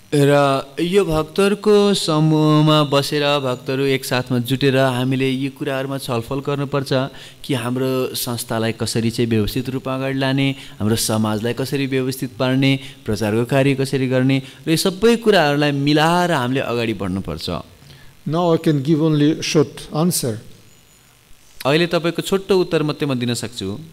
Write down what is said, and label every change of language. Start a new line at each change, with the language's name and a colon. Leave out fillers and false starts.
Nepali: र यो भक्तहरुको समूहमा बसेर भक्तहरु एकसाथमा जुटेर हामीले यी कुराहरुमा छलफल गर्नुपर्छ कि हाम्रो संस्थालाई कसरी चाहिँ व्यवस्थित रूपमा अगाडि लाने हाम्रो समाजलाई कसरी व्यवस्थित पार्ने प्रचारको कार्य कसरी गर्ने र यी सबै कुराहरुलाई मिलाएर हामीले अगाडि बढ्नुपर्छ
English: Now I can give only a short answer.
Nepali: अहिले तपाईको छोटो उत्तर मात्रै म दिन सक्छु.